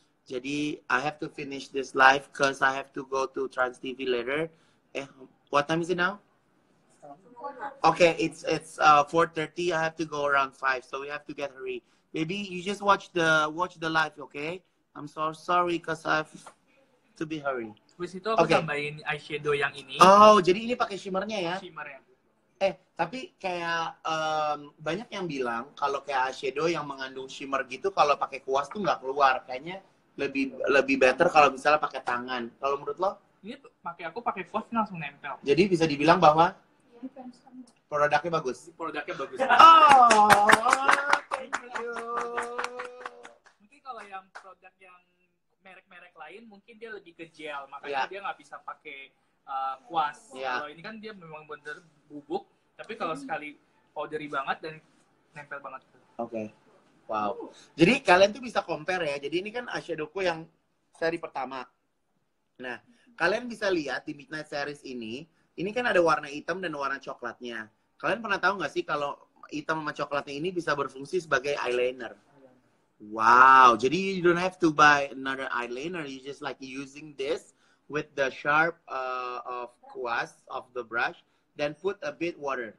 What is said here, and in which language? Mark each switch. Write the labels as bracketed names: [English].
[Indonesian] Jadi [English] I have to finish this live because I have to go to Trans TV later. What time is it now? Okay, it's 4:30. I have to go around 5, so we have to get hurry. Maybe you just watch the live, okay? I'm so sorry because I have to be hurry. [Indonesian] Terus itu aku tambahin eyeshadow yang ini. Oh, jadi ini pakai shimmernya ya? Shimmer ya. Tapi kayak banyak yang bilang kalau kayak eyeshadow yang mengandung shimmer gitu kalau pakai kuas tuh nggak keluar. Kayaknya lebih better kalau misalnya pakai tangan. Kalau menurut lo? Ini aku pakai kuas langsung nempel. Jadi bisa dibilang bahwa produknya bagus. Produknya bagus. [English] Oh, thank you. [Indonesian] Mungkin kalau yang produk yang merek-merek lain mungkin dia lebih ke gel, makanya dia nggak bisa pakai kuas. Kalau ini kan dia memang bener bubuk, tapi kalau sekali powdery banget dan nempel banget. Okay. Wow. Jadi kalian tuh bisa compare ya. Jadi ini kan eyeshadowku yang seri pertama. Nah, kalian bisa lihat di Midnight Series ini kan ada warna hitam dan warna coklatnya. Kalian pernah tahu nggak sih kalau hitam sama coklatnya ini bisa berfungsi sebagai eyeliner? [English] Wow, jadi you don't have to buy another eyeliner. You just like using this with the sharp of kuas of the brush, then put a bit water.